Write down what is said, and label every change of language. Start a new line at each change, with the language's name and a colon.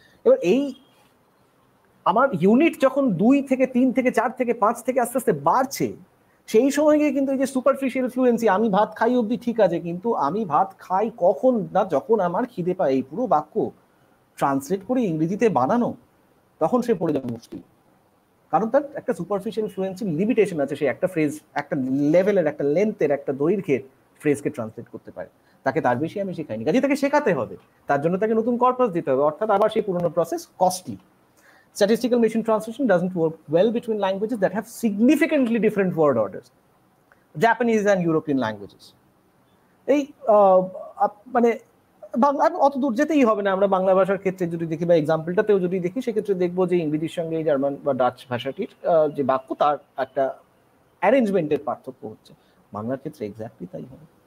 Bangla: এবার এই আমার ইউনিট যখন 2 থেকে 3 থেকে 4 থেকে 5 থেকে আস্তে আস্তে বাড়ছে, সেই সময় গিয়ে কিন্তু এই যে সুপারফিশিয়াল ফ্লুয়েন্সি, আমি ভাত খাই অবধি ঠিক আছে, কিন্তু আমি ভাত খাই কখন না যখন আমার খিদে পায়, এই পুরো বাক্য ট্রান্সলেট করে ইংরেজিতে বানানো, তখন সে পড়ে যাবে মুশকিল, কারণ তার একটা সুপারফিশিয়াল ফ্লুয়েন্সি লিমিটেশন আছে, সে একটা ফ্রেজ একটা লেভেলের একটা লেন্থের একটা দৈর্ঘ্যের ফ্রেজকে ট্রান্সলেট করতে পারে, তাকে তার বেশি আমি শেখাইনি, কাজে তাকে শেখাতে হবে, তার জন্য তাকে নতুন কর্পাস দিতে হবে, অর্থাৎ আবার সেই পুরোনো process costly.
English: Statistical machine translation doesn't work well between languages that have significantly different word orders, Japanese and European languages.
Bangla: এই মানে বাংলা অত দূর যেতেই হবে না, আমরা বাংলা ভাষার ক্ষেত্রে যদি দেখি বা এক্সাম্পলটাতেও যদি দেখি, সেক্ষেত্রে দেখবো যে ইংরেজির সঙ্গে জার্মান বা ডাচ ভাষাটির যে বাক্য তার একটা অ্যারেঞ্জমেন্টের পার্থক্য হচ্ছে, বাংলার ক্ষেত্রে এক্স্যাক্টলি তাই হবে।